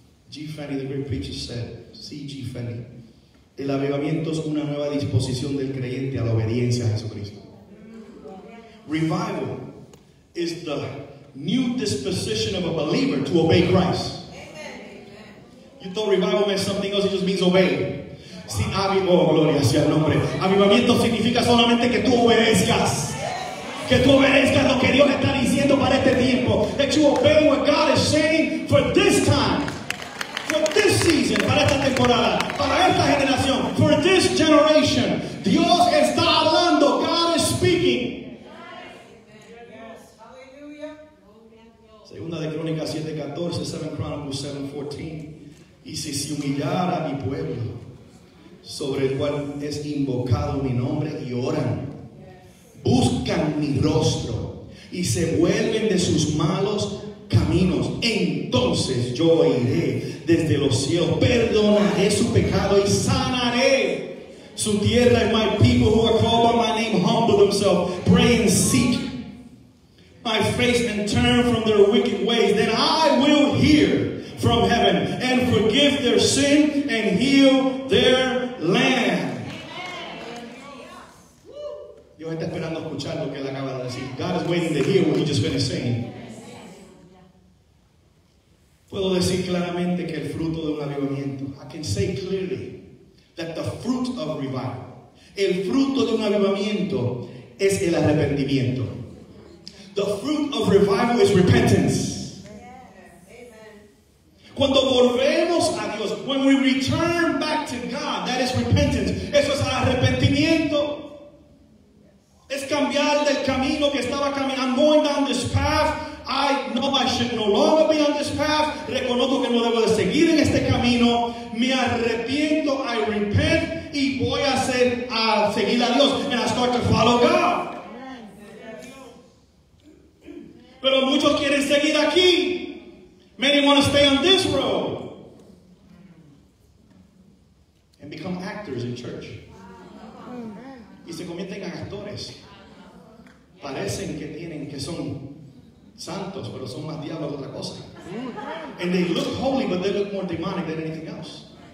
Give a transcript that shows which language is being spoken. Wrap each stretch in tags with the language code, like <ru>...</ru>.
<en>G. Fanny, the great preacher said, C.G.</en> <es>Fanny, el avivamiento es una nueva disposición del creyente a la obediencia a Jesucristo.</es> <en>Revival is the new disposition of a believer to obey Christ. You thought revival meant something else, it just means obey.</en> <es>Oh, gloria sea el nombre. Avivamiento significa solamente que tú obedezcas. Que tú obedezcas lo que Dios está diciendo para este tiempo.</es> <en>That you obey what God is saying for this time. For this season.</en> <es>Para esta temporada. Para esta generación.</es> <en>For this generation.</en> <es>Dios está hablando.</es> <en>God is speaking.</en> <es>Segunda de Crónicas 7:14.</es> <en>7 Chronicles 7:14.</en> <es>Y si humillara mi pueblo, sobre el cual es invocado mi nombre, y oran, buscan mi rostro y se vuelven de sus malos caminos, entonces yo iré desde los cielos, perdonaré su pecado y sanaré su tierra.</es> <en>And my people who are called by my name humble themselves, pray and seek my face and turn from their wicked ways. Then I will hear from heaven and forgive their sin and heal their land.</en> <es>Dios está esperando escuchar lo que él acaba de decir.</es> <en>God is waiting to hear what he just finished saying.</en> <es>Puedo decir claramente que el fruto de un avivamiento,</es> <en>I can say clearly that the fruit of revival,</en> <es>el fruto de un avivamiento es el arrepentimiento.</es> <en>The fruit of revival is repentance.</en> <es>Cuando volvemos a Dios,</es> <en>when we return back to God, that is repentance.</en> <es>Eso es arrepentimiento. Es cambiar del camino que estaba caminando.</es> <en>I'm going down this path. I know I should no longer be on this path.</en> <es>Reconozco que no debo de seguir en este camino. Me arrepiento.</es> <en>I repent.</en> <es>Y voy a hacer a seguir a Dios.</es> <en>And I start to follow God.</en> <es>Pero muchos quieren seguir aquí.</es> <en>Many want to stay on this road and become actors in church.</en> <es>Y se convierten en actores. Parecen que tienen, que son santos, pero son más diablos que otra cosa.</es> <en>And they look holy, but they look more demonic than anything else.</en>